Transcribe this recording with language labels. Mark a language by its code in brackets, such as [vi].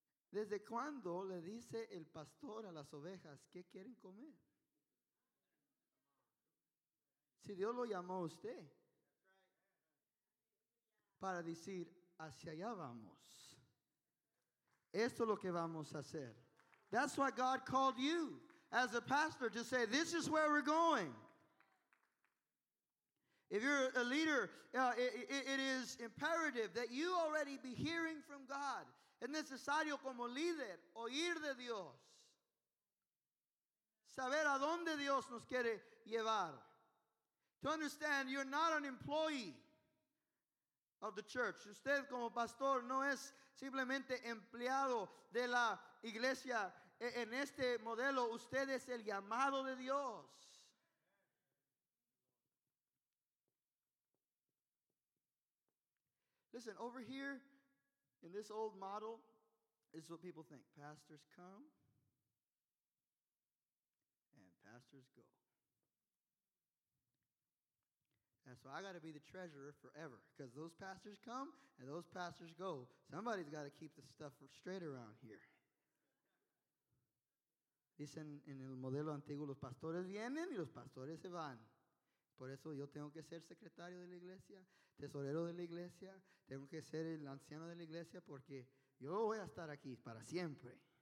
[es] ¿Desde cuándo le dice el pastor a las ovejas qué quieren comer? Si Dios lo llamó a usted para decir, hacia allá vamos. Esto es lo que vamos a hacer. [en] That's why God called you as a pastor to say, this is where we're going. If you're a leader, it is imperative that you already be hearing from God. [es] Es necesario como líder oír de Dios. Saber a dónde Dios nos quiere llevar. [en] To understand, you're not an employee of the church. [es] Usted como pastor no es simplemente empleado de la iglesia. En este modelo, usted es el llamado de Dios. [en] Listen, over here, in this old model, is what people think. Pastors come, and pastors go. And so I got to be the treasurer forever, because those pastors come, and those pastors go. Somebody's got to keep the stuff straight around here. [es] Dicen en el modelo antiguo, los pastores vienen y los pastores se van. Por eso yo tengo que ser secretario de la iglesia, tesorero de la iglesia, tengo que ser el anciano de la iglesia porque yo voy a estar aquí para siempre.